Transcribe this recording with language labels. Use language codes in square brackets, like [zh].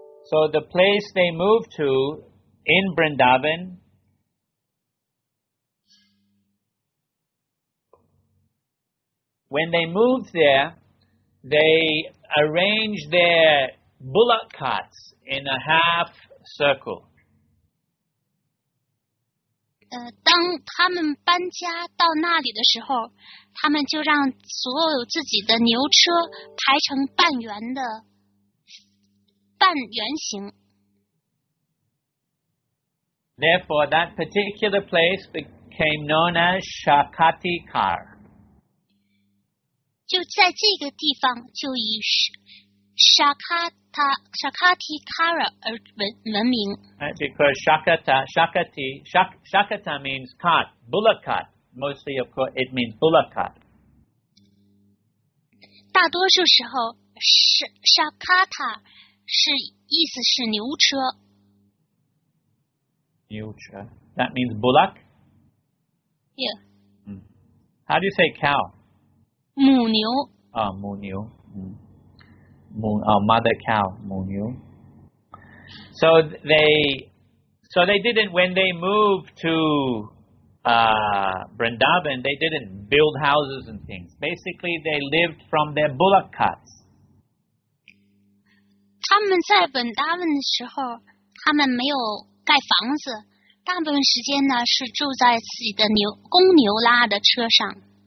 [en] So the place they moved to in Vrindavan when they moved there they arranged their bullock carts in a half circle. [zh] 当他们搬家到那里的时候他们就让所有自己的牛车排成半圆的半圆形。 [en] Therefore, that particular place became known as Shakatikar. [zh] 就在这个地方就以 Shakatikara 而闻名。 [en] Because Shakata means cart, bullock cart. Mostly, of course, it means bullock cart. [zh] 大多数时候 Shakata是意思是牛车。 [en] 牛车 ，That means bullock. Yeah. How do you say cow? [zh] 母牛。母牛。 [en] Mother cow, [zh] 母牛。 [en] So they didn't when they moved to Vrindavan, they didn't build houses and things. Basically, they lived from their bullock carts. [zh] 他们在本达文的时候他们没有盖房子大部分时间呢是住在自己的牛公牛拉的车上。